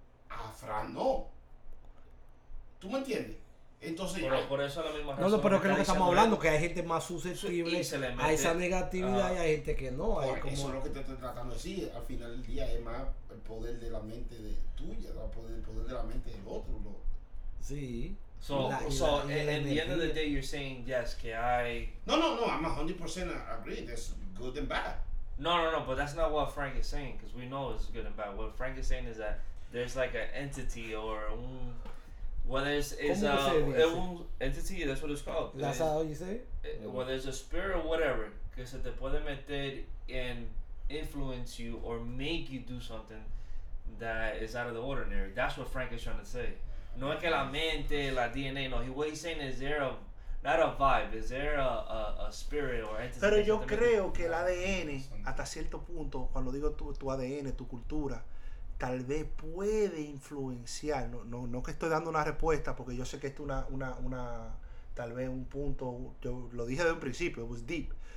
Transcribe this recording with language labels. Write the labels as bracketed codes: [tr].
[es] A Fran no. ¿Tú me entiendes? Entonces. Pero por eso la misma razón. No, pero que es lo que estamos hablando, que hay gente más susceptible a esa negatividad y hay gente que no. Hay como... Eso es lo que te estoy tratando de decir. Al final del día es más el poder de la mente de tuya, el poder de la mente del otro. ¿No? Sí. [en] So, at the end of the day, you're saying yes, [es] que hay. [en] No, I'm 100% agree. That's good and bad. No, but that's not what Frank is saying, because we know it's good and bad. What Frank is saying is that. There's like an entity or whether it's an entity, that's what it's called. That's how you say it? Whether it's a spirit or whatever, [es] que se te puede meter [en] and influence you or make you do something that is out of the ordinary. That's what Frank is trying to say. [es] No es que la mente, la DNA, no. [en] What he's saying is there a, not a vibe, is there a spirit or entity? [es] Pero yo creo que el ADN, hasta cierto punto, cuando digo tu ADN, tu cultura, tal vez puede influenciar, no que estoy dando una respuesta, porque yo sé que esto es una tal vez un punto, yo lo dije desde un principio, [en] it was deep.